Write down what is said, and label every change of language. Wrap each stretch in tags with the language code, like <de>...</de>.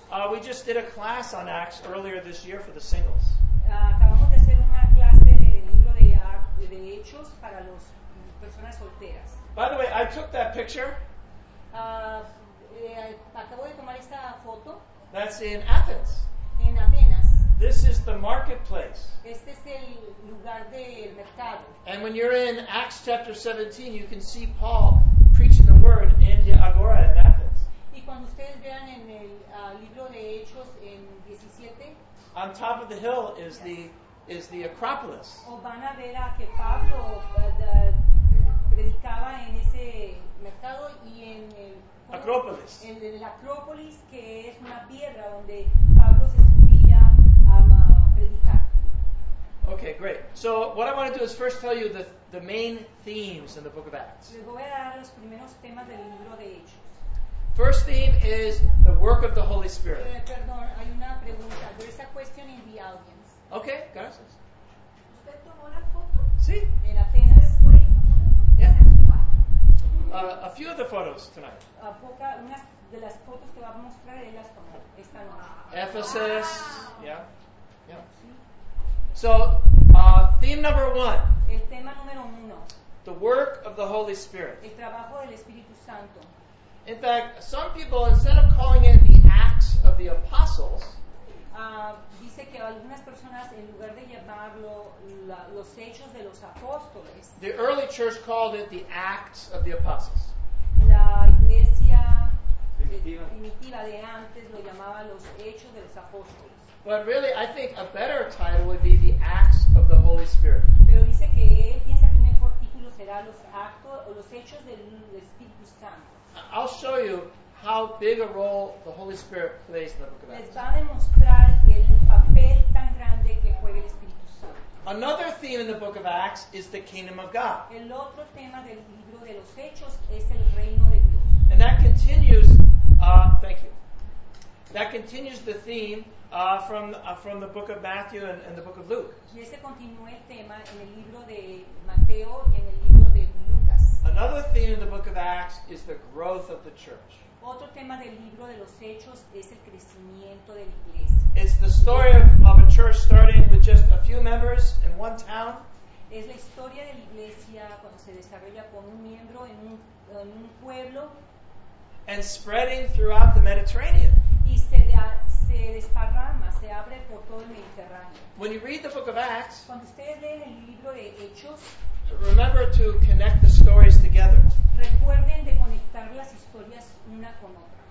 <en>We just did a class on Acts earlier this year for the singles.</en> <es>Acabamos de hacer una clase del libro de Hechos para las personas solteras.</es> <en>By the way, I took that picture.</en> <es>Acabo de tomar esta foto.</es> <en>That's in Athens.</en> <es>En Atenas.</es> <en>This is the marketplace.</en> <es>Este es el lugar del mercado.</es> <en>And when you're in Acts chapter 17, you can see Paul preaching the word in the agora in Athens.</en> <es>Y cuando ustedes vean en el libro de Hechos en 17,</es> <en>on top of the hill is the Acropolis.</en> <es>O van a ver a que Pablo predicaba en ese mercado y en el Acrópolis. En la Acrópolis, que es una piedra donde Pablo se subía a predicar.</es> <en>Okay, great. So what I want to do is first tell you the main themes in the book of Acts.</en> <es>Les voy a dar los primeros temas del libro de Hechos.</es> <en>First theme is the work of the Holy Spirit.</en> <es>Perdón, hay una pregunta.</es> <en>There's a question in the audience. Okay, gracias.</en> <es>¿Usted tomó la foto? Sí. En Atenas.</es> <en>Yeah. A few of the photos tonight.</en> <es>Una de las fotos que va a mostrar él las tomó esta noche.</es> <en>Ephesus. Wow. Yeah. Yeah. So, theme number one.</en> <es>El tema número uno.</es> <en>The work of the Holy Spirit.</en> <es>El trabajo del Espíritu Santo.</es> <en>In fact, some people, instead of calling it the Acts of the Apostles,</en> <es>dice que algunas personas, en lugar de llamarlo los Hechos de los Apóstoles,</es> <en>the early church called it the Acts of the Apostles.</en> <es>La iglesia primitiva de antes lo llamaba los Hechos de los Apóstoles.</es> <en>But really, I think a better title would be the Acts of the Holy Spirit.</en> <es>Pero dice que él piensa que un mejor título será los Actos o los Hechos del Espíritu Santo.</es> <en>I'll show you how big a role the Holy Spirit plays in the book of Acts.</en> <es>Les va a demostrar el papel tan grande que juega el Espíritu Santo.</es> <en>Another theme in the book of Acts is the kingdom of God.</en> <es>El otro tema del libro de los Hechos es el reino de Dios.</es> <en>And that continues, thank you. That continues the theme from the book of Matthew and the book of Luke.</en> <es>Y ese continúa el tema en el libro de Mateo y en el libro de Lucas.</es> <en>Another theme in the book of Acts is the growth of the church.</en> <es>Otro tema del libro de los Hechos es el crecimiento de la iglesia.</es> <en>It's the story of a church starting with just a few members in one town.</en> <es>Es la historia de la iglesia cuando se desarrolla con un miembro en un pueblo.</es> <en>And spreading throughout the Mediterranean.</en> <es>Y se desparrama, se abre por todo el Mediterráneo.</es> <en>When you read the book of Acts,</en> <es>cuando ustedes leen el libro de Hechos,</es> <en>remember to connect the stories together.</en> <es>Recuerden de conectar las historias una con otra.</es>